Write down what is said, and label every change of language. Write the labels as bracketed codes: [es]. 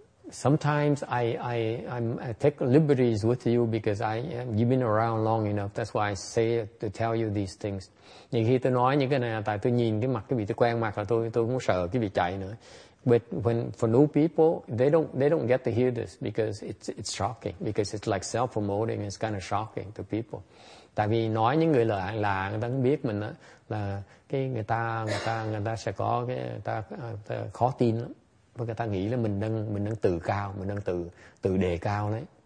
[en] Sometimes I take liberties with you because you've been around long enough. That's why I say to tell you these things. [vi] Nhiều khi tôi nói những cái này là tại tôi nhìn cái mặt cái vị, tôi quen mặt là tôi cũng sợ cái vị chạy nữa. [en] But when for new people, they don't get to hear this because it's shocking, because it's like self promoting. It's kind of shocking to people. [vi] Tại vì nói những người lạ người ta cũng biết mình đó, là cái người ta sẽ có cái ta khó tin lắm. Và người ta nghĩ là mình đang tự cao, mình đang tự đề cao đấy.